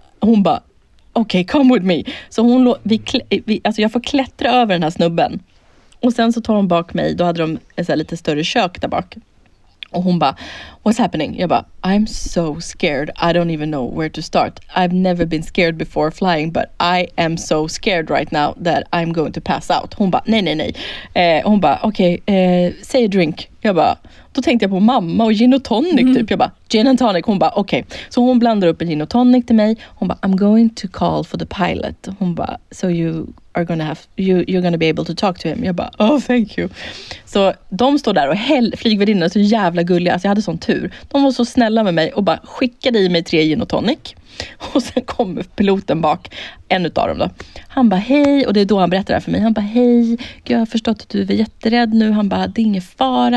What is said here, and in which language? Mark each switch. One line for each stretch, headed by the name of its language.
Swedish: Hon bara,
English: okay, come with me.
Swedish: Så alltså jag får klättra över den här snubben. Och sen så tar hon bak mig. Då hade de ett så här lite större kök där bak. Och hon bara,
English: what's happening?
Swedish: Jag bara,
English: I'm so scared. I don't even know where to start. I've never been scared before flying. But I am so scared right now that I'm going to pass out.
Swedish: Hon bara, nej, nej, nej. Hon bara,
English: okej, say a drink.
Swedish: Jag bara, då tänkte jag på mamma och gin och tonic typ. Jag bara,
English: gin and tonic.
Swedish: Hon bara, okej. Okay. Så hon blandar upp en gin och tonic till mig. Hon bara,
English: I'm going to call for the pilot. Hon bara, so you... are gonna have, you're gonna be able to talk to him.
Swedish: Jag bara,
English: oh thank you.
Swedish: Så de står där och flygvärdinnorna är så jävla gulliga. Alltså jag hade sån tur. De var så snälla med mig och bara skickade i mig 3 gin och tonic. Och sen kommer piloten bak, en utav dem då. Han bara, hej. Och det är då han berättar det här för mig. Han bara, hej. Gud, jag har förstått att du är jätterädd nu. Han bara, det är ingen fara.